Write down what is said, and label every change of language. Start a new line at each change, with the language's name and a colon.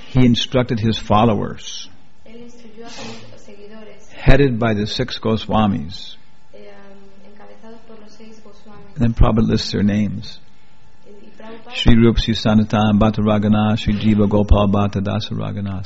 English: he instructed his followers,
Spanish: él instruyó a sus seguidores,
English: headed by the six Goswamis.
Spanish: Encabezados por los seis Goswamis.
English: And then Prabhupada lists their names. Sri Rupa Sri Sanatana Bhatta Ragana Sri Jiva Gopal Bhatta Dasa Ragana.